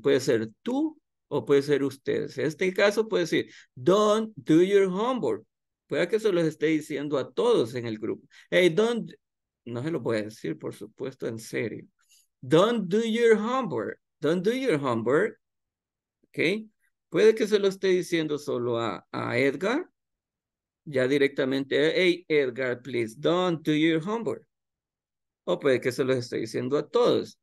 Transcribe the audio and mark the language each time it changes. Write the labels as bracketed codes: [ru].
[es] Puede ser tú o puede ser ustedes. En este caso puede decir, [en] don't do your homework. [es] Puede que se los esté diciendo a todos en el grupo. [en] Hey, don't... [es] No se lo voy a decir, por supuesto, en serio. [en] Don't do your homework. Don't do your homework. Okay. [es] Puede que se lo esté diciendo solo a Edgar. Ya directamente, [en] hey, Edgar, please, don't do your homework. [es] O puede que se lo esté diciendo a todos.